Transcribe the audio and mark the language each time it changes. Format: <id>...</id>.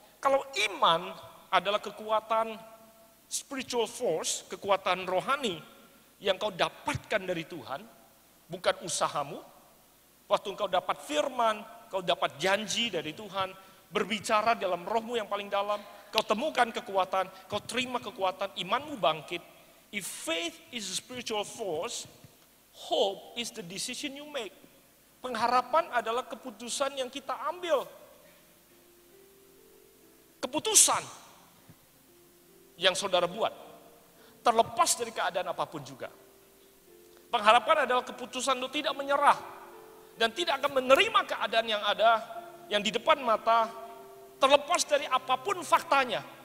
<id>Kalau iman adalah kekuatan spiritual force, kekuatan rohani yang kau dapatkan dari Tuhan, bukan usahamu. Waktu engkau dapat firman, engkau dapat janji dari Tuhan, berbicara dalam rohmu yang paling dalam, engkau temukan kekuatan, engkau terima kekuatan, imanmu bangkit.</id> <en>If faith is a spiritual force, hope is the decision you make.</en> <id>Pengharapan adalah keputusan yang kita ambil. Keputusan yang saudara buat, terlepas dari keadaan apapun juga. Pengharapan adalah keputusan untuk tidak menyerah, dan tidak akan menerima keadaan yang ada, yang di depan mata, terlepas dari apapun faktanya.</id>